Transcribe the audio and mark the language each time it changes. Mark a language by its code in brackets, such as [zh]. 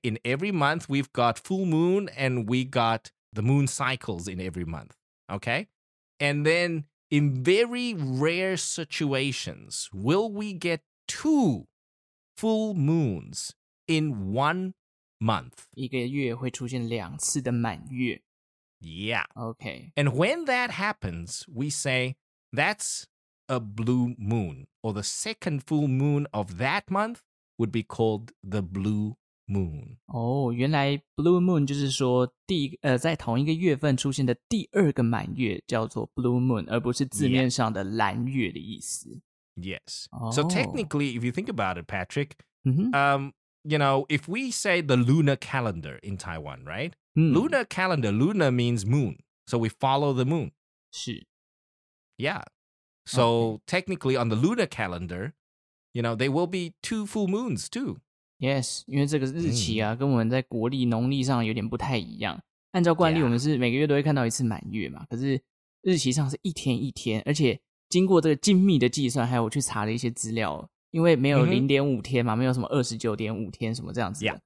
[en] In every month, we've got full moon and we got the moon cycles in every month. Okay. And then in very rare situations, will we get two full moons in one month? [zh] 一个月会出现两次的满月。 [en] Yeah. Okay. And when that happens, we say that's. A blue moon, or the second full moon of that month, would be called the blue moon. [zh] Oh, 原来 blue moon 就是说在同一个月份出现的第二个满月叫做 blue moon, 而不是字面上的蓝月的意思。 [en] Yes. So technically, if you think about it, Patrick,、 mm-hmm. You know, if we say the lunar calendar in Taiwan, right?、Mm. Lunar calendar, lunar means moon. So we follow the moon. [zh] 是。 [en] Yeah. So, okay. technically, on the lunar calendar, you know, there will be two full moons, too. [zh] Yes, 因为这个日期啊、跟我们在国历、农历上有点不太一样。按照惯例、我们是每个月都会看到一次满月嘛，可是日期上是一天一天，而且经过这个精密的计算，还有我去查了一些资料，因为没有 0.5 天嘛，没有什么 29.5 天什么这样子的。